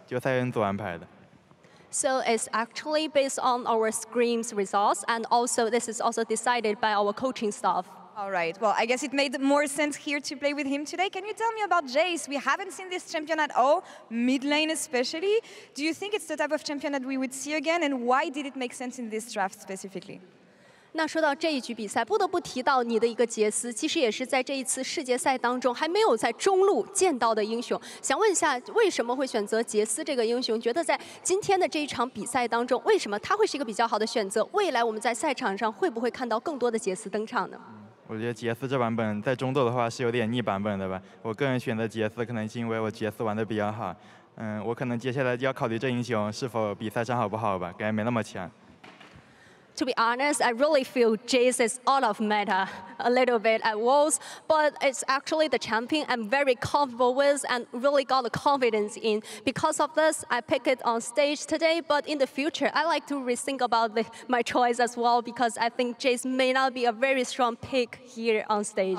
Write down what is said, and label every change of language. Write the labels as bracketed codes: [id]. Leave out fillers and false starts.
[zh] 嗯，也是我们整个赛训组的，就训练赛选出来的人吧，就赛训组安排的。 [en] So it's actually based on our scrims results, and also this is also decided by our coaching staff. All right. Well, I guess it made more sense here to play with him today. Can you tell me about Jace? We haven't seen this champion at all, mid lane especially. Do you think it's the type of champion that we would see again, and why did it make sense in this draft specifically? [zh] 那说到这一局比赛，不得不提到你的一个杰斯。其实也是在这一次世界赛当中还没有在中路见到的英雄。想问一下，为什么会选择杰斯这个英雄？觉得在今天的这一场比赛当中，为什么他会是一个比较好的选择？未来我们在赛场上会不会看到更多的杰斯登场呢？我觉得杰斯这版本在中路的话是有点逆版本的吧。我个人选择杰斯，可能是因为我杰斯玩的比较好。嗯，我可能接下来就要考虑这英雄是否比赛上好不好吧，感觉没那么强。 [en] To be honest, I really feel Jayce is out of meta a little bit at Worlds, but it's actually the champion I'm very comfortable with and really got the confidence in. Because of this, I pick it on stage today, but in the future, I like to rethink about my choice as well, because I think Jayce may not be a very strong pick here on stage.